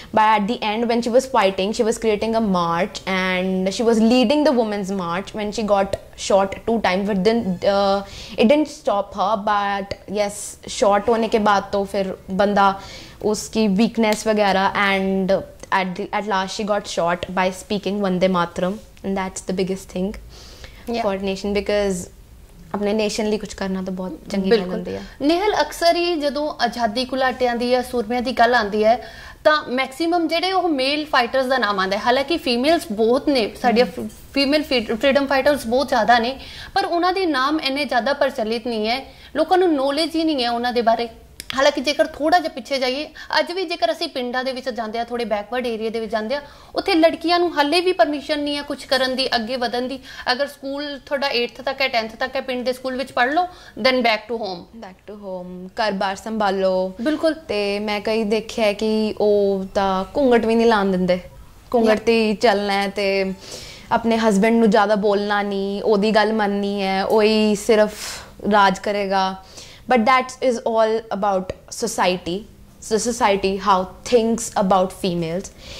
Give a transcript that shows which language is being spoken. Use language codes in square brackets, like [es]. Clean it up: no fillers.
[en] But at the end, when she was fighting, she was creating a march and she was leading the women's march when she got shot 2 times, but then it didn't stop her. But yes, shot [hi] hone ke baad to fir banda uski [en] weakness wagaira, and at last she got shot by speaking Vande Mataram, and that's the biggest thing. Yeah. For nation, because [pa] ਆਪਣੇ nation ਲਈ ਕੁਝ ਕਰਨਾ ਤਾਂ ਬਹੁਤ ਚੰਗੀ ਗੱਲ ਹੁੰਦੀ ਹੈ। ਨਿਹਲ, ਅਕਸਰ ਹੀ ਜਦੋਂ ਆਜ਼ਾਦੀ ਘੁਲਾਟਿਆਂ ਦੀ ਜਾਂ ਸੂਰਮਿਆਂ ਦੀ ਗੱਲ ਆਉਂਦੀ ਹੈ ਤਾਂ ਮੈਕਸੀਮਮ ਜਿਹੜੇ ਉਹ ਮੇਲ ਫਾਈਟਰਸ ਦਾ ਨਾਮ ਆਉਂਦਾ ਹੈ। ਹਾਲਾਂਕਿ ਫੀਮੇਲਸ ਬਹੁਤ ਨੇ, ਸਾਡੀਆਂ ਫੀਮੇਲ ਫਰੀਡਮ ਫਾਈਟਰਸ ਬਹੁਤ ਜ਼ਿਆਦਾ ਨੇ, ਪਰ ਉਹਨਾਂ ਦੇ ਨਾਮ ਇੰਨੇ ਜ਼ਿਆਦਾ ਪ੍ਰਚਲਿਤ ਨਹੀਂ ਹੈ, ਲੋਕਾਂ ਨੂੰ ਨੌਲੇਜ ਹੀ ਨਹੀਂ ਹੈ ਉਹਨਾਂ ਦੇ ਬਾਰੇ। ਹਾਲਾਂਕਿ ਜੇਕਰ ਥੋੜ੍ਹਾ ਜਿਹਾ ਪਿੱਛੇ ਜਾਈਏ, ਅੱਜ ਵੀ ਜੇਕਰ ਅਸੀਂ ਪਿੰਡਾਂ ਦੇ ਵਿੱਚ ਜਾਂਦੇ ਹਾਂ, ਥੋੜ੍ਹੇ ਬੈਕਵਰਡ ਏਰੀਆ ਦੇ ਵਿੱਚ ਜਾਂਦੇ ਹਾਂ, ਉੱਥੇ ਲੜਕੀਆਂ ਨੂੰ ਹਾਲੇ ਵੀ ਪਰਮਿਸ਼ਨ ਨਹੀਂ ਹੈ ਕੁਛ ਕਰਨ ਦੀ, ਅੱਗੇ ਵਧਣ ਦੀ। ਅਗਰ ਸਕੂਲ ਤੁਹਾਡਾ 8th ਤੱਕ ਹੈ, 10th ਤੱਕ ਹੈ, ਪਿੰਡ ਦੇ ਸਕੂਲ ਵਿੱਚ ਪੜ੍ਹ ਲਓ, [en] then back to home, [pa] ਘਰ ਬਾਰ ਸੰਭਾਲੋ। ਬਿਲਕੁਲ। ਅਤੇ ਮੈਂ ਕਈ ਦੇਖਿਆ ਕਿ ਉਹ ਤਾਂ ਘੁੰਘਟ ਵੀ ਨਹੀਂ ਲਾਉਣ ਦਿੰਦੇ, ਘੁੰਘਟ 'ਤੇ ਹੀ ਚੱਲਣਾ, ਅਤੇ ਆਪਣੇ ਹਸਬੈਂਡ ਨੂੰ ਜ਼ਿਆਦਾ ਬੋਲਣਾ ਨਹੀਂ, ਉਹਦੀ ਗੱਲ ਮੰਨਣੀ ਹੈ, ਉਹੀ ਸਿਰਫ ਰਾਜ ਕਰੇਗਾ। [en] But that is all about society. So society, how thinks about females.